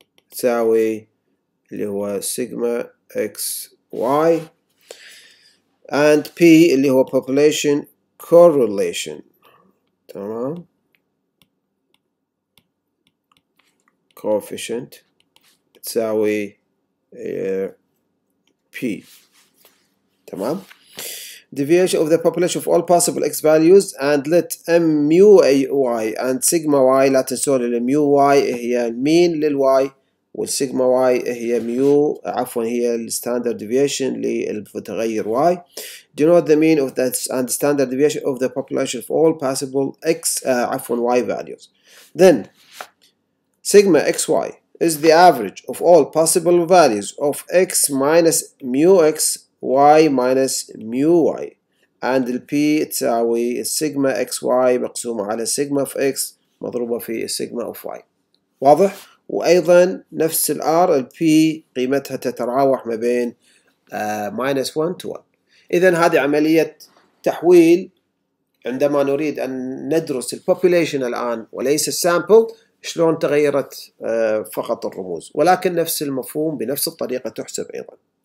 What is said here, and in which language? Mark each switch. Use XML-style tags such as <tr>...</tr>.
<ar>تساوي اللي هو sigma xy and p اللي هو population correlation. تمام؟ coefficient تساوي p. تمام؟</ar> <en>deviation of the population of all possible x values and let m mu y and sigma y،</en> <ar>لا تنسون ان mu y هي mean للy والsigma y هي mu، عفوا هي الستاندرد ديفيشن للمتغير y.</ar> <en>denote the mean of that and standard deviation of the population of all possible x y values. Then sigma xy is the average of all possible values of x minus mu x y minus mu y and the p</en> <ar>تساوي</ar> <en>sigma xy</en> <ar>مقسومة على</ar> <en>sigma of x</en> <ar>مضروبة في</ar> <en>sigma of y.</en> <ar>واضح؟ وأيضا نفس ال r ال p قيمتها تتراوح ما بين minus 1 to 1. إذن هذه عملية تحويل عندما نريد أن ندرس population الآن وليس sample، شلون تغيرت فقط الرموز، ولكن نفس المفهوم بنفس الطريقة تحسب أيضا.</ar>